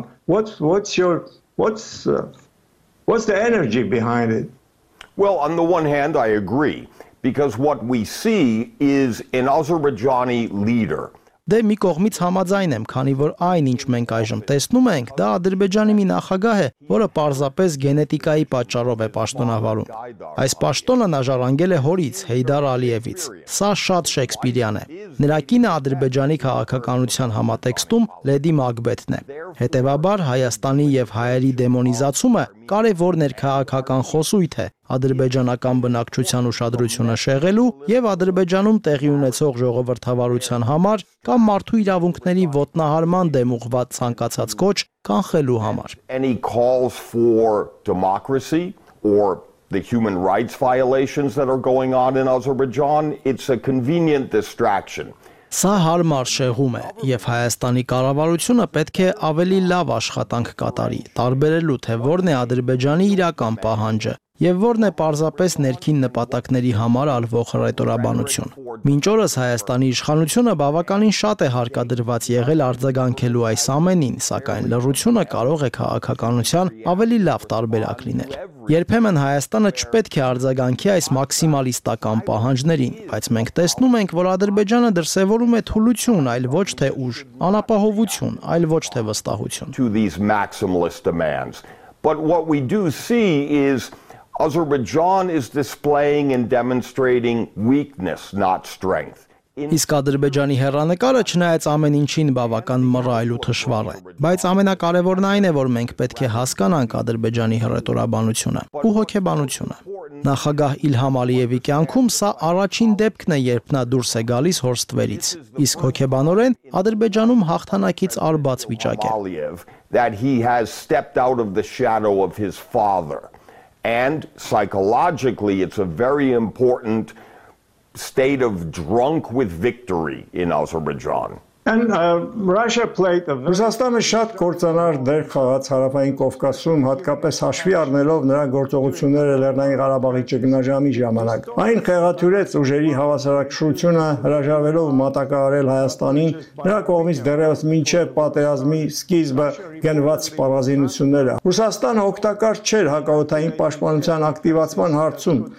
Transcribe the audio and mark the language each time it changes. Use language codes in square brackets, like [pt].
[en] What's the energy behind it? Well, on the one hand, I agree. Because what we see is an Azerbaijani leader. [hy] Դե մի կողմից համաձայն եմ, քանի որ այն, ինչ մենք այժմ տեսնում ենք, դա Ադրբեջանի մի նախագահ է, որը պարզապես գենետիկայի պատճառով է պաշտոնավարում։ Այս պաշտոնը նա ժառանգել է հորից, Հեյդար Ալիևից։ Սա շատ շեքսպիրյան է։ Նրա կինը Ադրբեջանի քաղաքականության համատեքստում Լեդի Մակբեթն է։ Հետևաբար Հայաստանի եւ հայերի դեմոնիզացումը կարևոր ներքաղաքական խոսույթ է։ Ադրբեջանական բնակչության ուշադրությունը շեղելու եւ Ադրբեջանում տեղի ունեցող ժողովրդավարության համար կամ մարդու իրավունքների ոտնահարման դեմ ուղղված ցանկացած կոչ կանխելու համար։ [en] Any calls for democracy or the human rights violations that are going on in Azerbaijan, it's a convenient distraction. [hy] Սա հարմար շեղում է, եւ Հայաստանի կառավարությունը պետք է ավելի լավ աշխատանք կատարի՝ տարբերելու թե որն է Ադրբեջանի իրական պահանջը եւ որն է պարզապես ներքին նպատակների համար ալվող ռետորաբանություն։ Մինչ օրս Հայաստանի իշխանությունը բավականին շատ է հարկադրված եղել արձագանքելու այս ամենին, սակայն լռությունը կարող է քաղաքականության ավելի լավ տարբերակ լինել։ Երբեմն Հայաստանը չպետք է արձագանքի այս մաքսիմալիստական պահանջներին, բայց մենք տեսնում ենք, որ Ադրբեջանը դրսևորում է թուլություն, այլ ոչ թե ուժ, անապահովություն, այլ ոչ թե վստահություն։ [en] But what we do see is Azerbaijan is displaying and demonstrating weakness, not strength. [hy] Իսկ Ադրբեջանի հերանեկարը չնայած ամեն ինչին բավական մռայլ ու թշվառ է, բայց ամենակարևորն այն է, որ մենք պետք է հասկանանք Ադրբեջանի հռետորաբանությունը ու հոգեբանությունը։ Նախագահ Իլհամ Ալիևի կյանքում սա առաջին դեպքն է, երբ նա դուրս է գալիս հորստվերից, իսկ հոգեբանորեն Ադրբեջանում հաղթանակից արբաց վիճակ է։ [en] That he has stepped out of the shadow of his father, and psychologically it's a very important state of drunk with victory in Azerbaijan. And Russia played a very [hy] Ռուսաստանը շատ կործանար դեր խաղաց Հարավային Կովկասում, հատկապես հաշվի առնելով նրա գործողությունները Լեռնային Ղարաբաղի ճգնաժամի ժամանակ։ Այն խեղաթյուրեց ուժերի հավասարակշռությունը, հրաժարվելով մատակարարել Հայաստանին, նրա կողմից դեռևս մինչև պատերազմի սկիզբը գնված սպառազինությունները։ Ռուսաստանը օգտակար չէր հակաօդային պաշտպանության ակտիվացման հարցում,